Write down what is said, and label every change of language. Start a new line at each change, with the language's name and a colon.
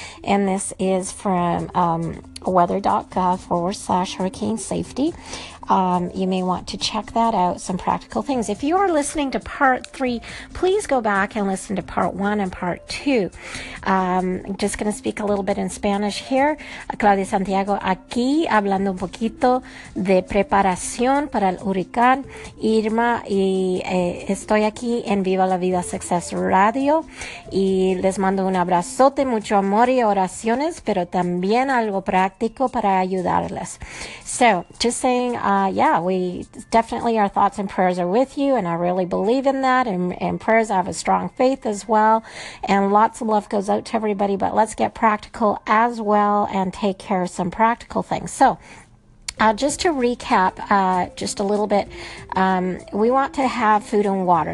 English: And this is from weather.gov/hurricane safety. You may want to check that out, some practical things. If you are listening to part three, please go back and listen to part one and part two. I'm just going to speak a little bit in Spanish here.
Spanish: Claudia Santiago aquí, hablando un poquito de preparación para el huracán Irma, y estoy aquí en Viva la Vida Success Radio, y les mando un abrazote, mucho amor y oraciones, pero también algo práctico para ayudarles.
English: So, just saying, we definitely, our thoughts and prayers are with you, and I really believe in that, and prayers, I have a strong faith as well, and lots of love goes out to everybody, but let's get practical as well and take care of some practical things. So, just to recap, just a little bit, we want to have food and water.